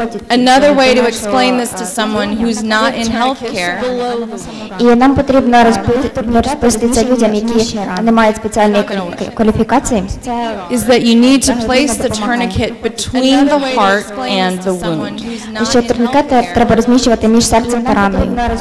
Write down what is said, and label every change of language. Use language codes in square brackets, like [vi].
[en] Another way to explain this to someone who's not in healthcare. [uk] І нам потрібно розповісти це людям, які не мають спеціальної кваліфікації. [en] Is that you need to place the tourniquet between the heart and the wound. [uk] Що турнікети треба розміщувати між серцем та раною.